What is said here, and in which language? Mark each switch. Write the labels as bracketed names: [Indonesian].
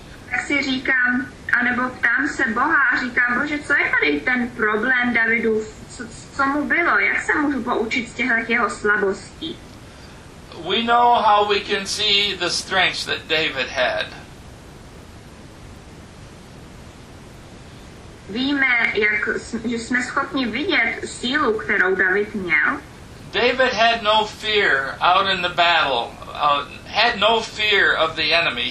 [Czech] Tak si říkám, anebo ptám se Boha a říkám, Bože, co je tady ten problém Davidu? Co mu bylo? Jak se můžu poučit z těchto jeho slabostí? [English] We know how we can see the strengths that David had. [Czech] Víme, že jsme schopni vidět sílu, kterou David měl. [English] David had no fear out in the battle, had no fear of the enemy.